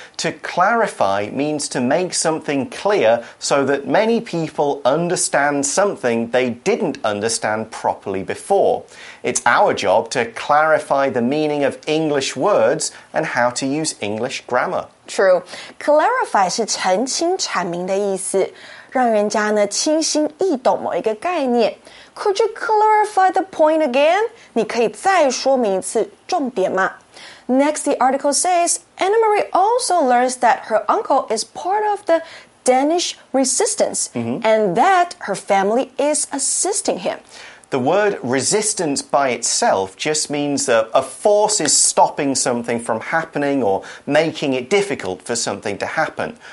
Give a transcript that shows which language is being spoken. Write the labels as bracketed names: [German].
[English] To clarify means to make something clear so that many people understand something they didn't understand properly before. It's our job to clarify the meaning of English words and how to use English grammar. [Chinese] True. Clarify 是澄清阐明的意思。让人家呢清新易懂某一个概念。 [English] Could you clarify the point again? [Chinese] 你可以再说明一次重点吗? [English] Next, the article says, Anna-Marie also learns that her uncle is part of the Danish resistance、mm-hmm. and that her family is assisting him. The word resistance by itself just means that a force is stopping something from happening or making it difficult for something to happen.